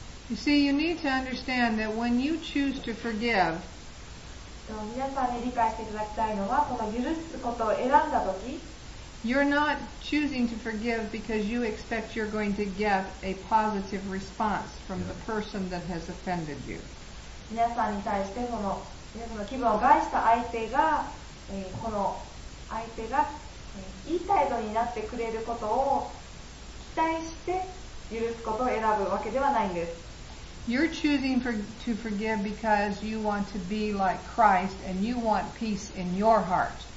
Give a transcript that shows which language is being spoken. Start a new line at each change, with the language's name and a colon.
English: You see, you need to understand that when you choose to forgive,
Japanese: 皆さんに理解していただきたいのは、この許すことを選んだとき、
English: You're not choosing to forgive because you expect you're going to get a positive response from the person that has offended you.
Japanese: 皆さんに対して、その皆さんの気分を害した相手が、この相手がいい態度になってくれることを期待して許すことを選ぶわけではないんです。
English: You're choosing to forgive because you want to be like Christ and you want peace in your heart.